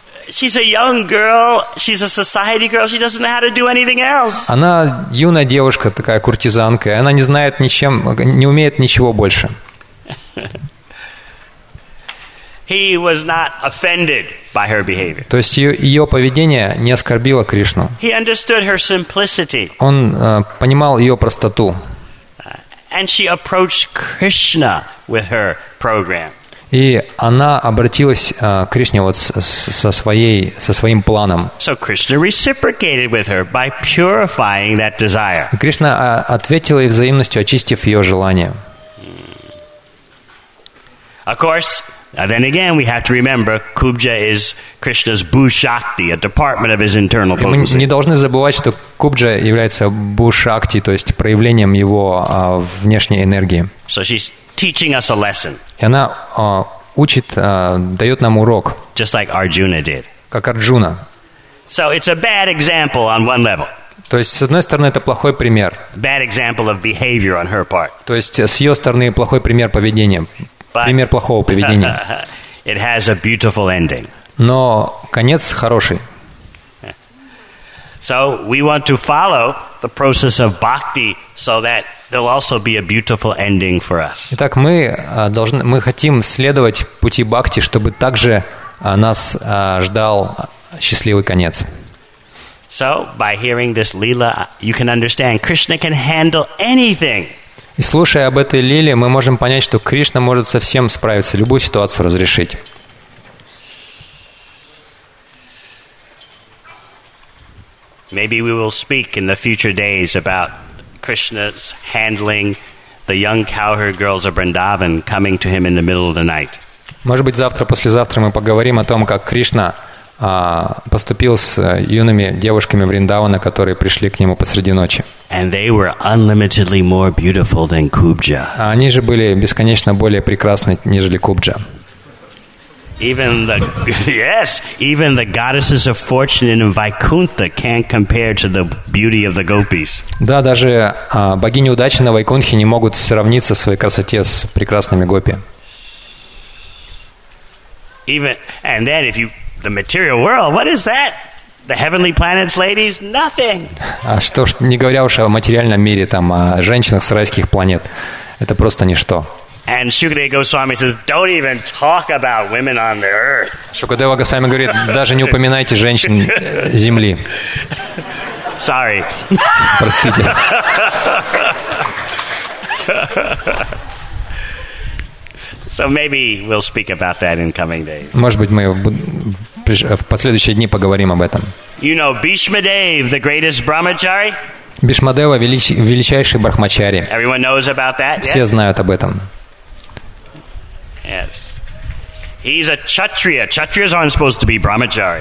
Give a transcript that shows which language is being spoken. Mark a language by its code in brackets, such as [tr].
[en] She's a young girl, she's a society girl, she doesn't know how to do anything else. [ru] Она юная девушка, такая куртизанка, она не знает ничем, не умеет ничего больше. [en] He was not offended by her behavior. [ru] То есть ее поведение не оскорбило Кришну. [en] He understood her simplicity. [ru] Он понимал ее простоту. [en] And she approached Krishna with her program. [ru] И она обратилась к Кришне вот со своим планом. [en] So Krishna reciprocated with her by purifying that desire. [ru] И Кришна ответила ей взаимностью, очистив ее желание. [en] Of course, then again, we have to remember Kubja is Krishna's Bhushakti, a department of his internal potency. [ru] Мы не должны забывать, что Кубджа является Бхушакти, то есть проявлением его внешней энергии. [en] So she's teaching us a lesson. [ru] И она учит, дает нам урок. [en] Just like Arjuna did. [ru] Как Арджуна. [en] So it's a bad example on one level. [ru] То есть, с одной стороны, это плохой пример. [en] Bad example of behavior on her part. [ru] То есть, с ее стороны, плохой пример поведения. Пример плохого поведения. [en] It has a beautiful ending. [ru] Но конец хороший. [en] So we want to follow the process of bhakti so that there'll also be a beautiful ending for us. [ru] Итак, мы хотим следовать пути бхакти, чтобы также нас ждал счастливый конец. [en] So by hearing this lila, you can understand Krishna can handle anything. [ru] И слушая об этой лиле, мы можем понять, что Кришна может со всем справиться, любую ситуацию разрешить. [en] Maybe we will speak in the future days about Krishna's handling the young cowherd girls of Vrindavan coming to him in the middle of the night. [ru] Может быть, завтра, послезавтра мы поговорим о том, как Кришна поступил с юными девушками Вриндавана, которые пришли к нему посреди ночи. [en] And they were unlimitedly more beautiful than Kubja. [ru] А они же были бесконечно более прекрасны, нежели Кубджа. [en] Even the goddesses of fortune in Vaikuntha can't compare to the beauty of the gopis. [ru] Да, даже богини удачи на Вайкунтхе не могут сравниться в своей красоте с прекрасными гопи. [en] Even and then if you the material world, what is that? The heavenly planets, ladies, nothing. [ru] А что ж, не говоря уж о материальном мире, там, о женщинах с райских планет, это просто ничто. [en] And Shukadeva Goswami says, "Don't even talk about women on the earth." [ru] Shukadeva Goswami говорит, даже не упоминайте женщин земли. [en] Sorry. [ru] Простите. [en] So maybe we'll speak about that in coming days. [ru] Может быть, мы в последующие дни поговорим об этом. [en] You know, Bhishma Dev, the greatest brahmachari. [ru] Бишмадева, величайший брахмачари. [en] Everyone knows about that. [ru] Все знают об этом. [en] Yes. He's a kshatriya. Kshatriyas aren't supposed to be brahmachari.